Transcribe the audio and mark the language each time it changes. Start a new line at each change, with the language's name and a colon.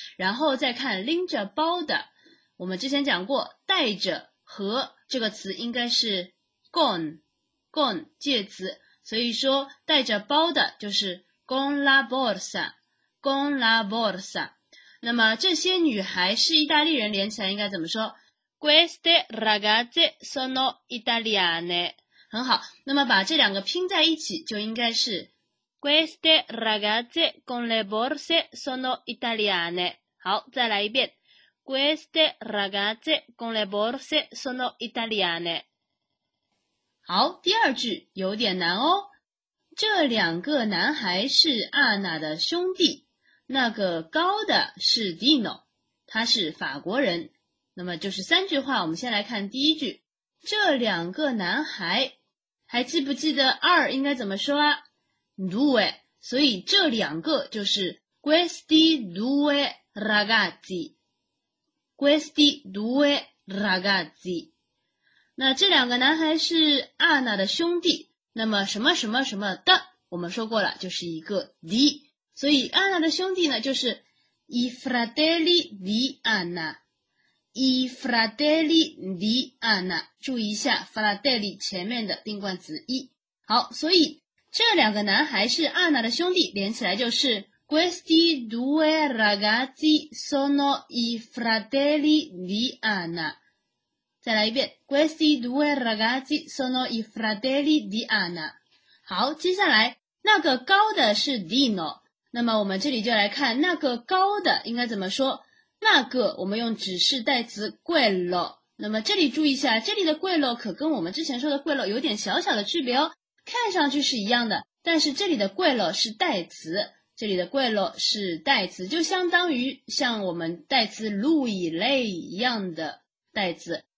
Chinese: 然后再看拎着包的，我们之前讲过带着和这个词应该是 gone con 介词，所以说带着包的就是
Italian: con la borsa con la borsa。
Chinese: 那么这些女孩是意大利人，连起来应该怎么说？
Italian: queste ragazze sono italiane。
Chinese: 很好，那么把这两个拼在一起就应该是
Italian: queste ragazze con le borse sono italiane。
Chinese: 好，再来一遍，
Italian: queste ragazze con le borse sono italiane。
Chinese: 好，第二句有点难哦。这两个男孩是阿娜的兄弟，那个高的是 Dino， 他是法国人。那么就是三句话，我们先来看第一句。这两个男孩，还记不记得二应该怎么说啊？ due， 所以这两个就是
Italian: questi due ragazzi， questi due ragazzi。
Chinese: 那这两个男孩是阿娜的兄弟，那么什么什么什么的，我们说过了，就是一个 di， 所以阿娜的兄弟呢，就是
Italian: i fratelli di Anna， i fratelli di Anna，
Chinese: 注意一下 fratelli 前面的定冠词 i。好，所以这两个男孩是阿娜的兄弟，连起来就是
Italian: questi due ragazzi sono i fratelli di Anna。
Chinese: 再来一遍，
Italian: questi due ragazzi sono i fratelli di Anna。
Chinese: 好，接下来那个高的是 Dino， 那么我们这里就来看那个高的应该怎么说。那个我们用指示代词 quello， 那么这里注意一下，这里的 quello 可跟我们之前说的 quello 有点小小的区别哦，看上去是一样的，但是这里的 quello 是代词，这里的 quello 是代词，就相当于像我们代词 lui lei 一样的代词。